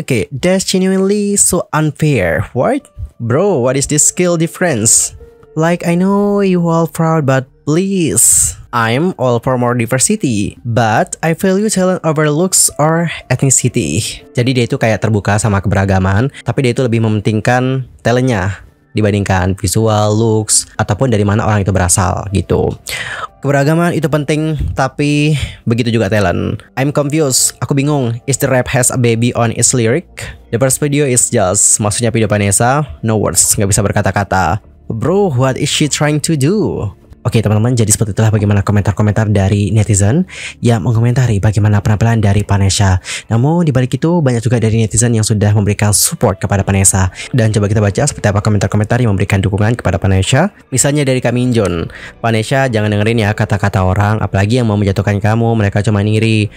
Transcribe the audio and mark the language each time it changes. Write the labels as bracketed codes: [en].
[en] That's genuinely so unfair. What? Bro, what is this skill difference? Like, I know you all proud, but please. I'm all for more diversity, but I value talent over looks or ethnicity. [id] Jadi dia itu kayak terbuka sama keberagaman, tapi dia itu lebih mementingkan talentnya dibandingkan visual, looks, ataupun dari mana orang itu berasal gitu. Keberagaman itu penting, tapi begitu juga talent. [en] I'm confused, [id] aku bingung. [en] Is the rap has a baby on its lyric? The first video is just, [id] maksudnya video Panesha, [en] no words, [id] gak bisa berkata-kata. [en] Bro, what is she trying to do? [id] Oke, teman-teman, jadi seperti itulah bagaimana komentar-komentar dari netizen yang mengomentari bagaimana penampilan dari Panesha. Namun, dibalik itu banyak juga dari netizen yang sudah memberikan support kepada Panesha. Dan coba kita baca seperti apa komentar-komentar yang memberikan dukungan kepada Panesha. Misalnya dari Kak Minjun, Panesha jangan dengerin ya kata-kata orang, apalagi yang mau menjatuhkan kamu, mereka cuma iri.